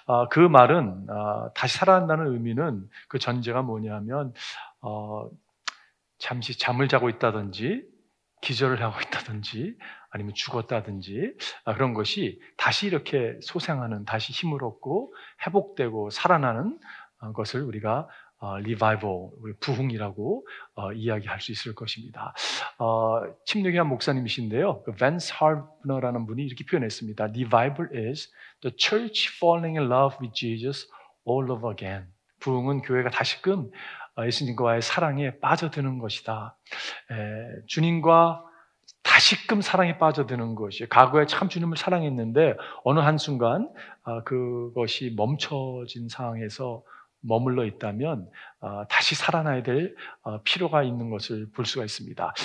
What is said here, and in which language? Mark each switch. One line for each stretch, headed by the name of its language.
Korean: 그 말은 다시 살아난다는 의미는 그 전제가 뭐냐면 잠시 잠을 자고 있다든지 기절을 하고 있다든지 아니면 죽었다든지 그런 것이 다시 이렇게 소생하는, 다시 힘을 얻고 회복되고 살아나는 것을 우리가 revival, 부흥이라고 이야기할 수 있을 것입니다. 침례교회 목사님이신데요. Vance Harbner라는 분이 이렇게 표현했습니다.
English: Revival is the church falling in love with Jesus all over again.
Korean: 부흥은 교회가 다시금 예수님과의 사랑에 빠져드는 것이다. 주님과 다시금 사랑에 빠져드는 것이, 과거에 참 주님을 사랑했는데 어느 한순간 그것이 멈춰진 상황에서 머물러 있다면 다시 살아나야 될 필요가 있는 것을 볼 수가 있습니다.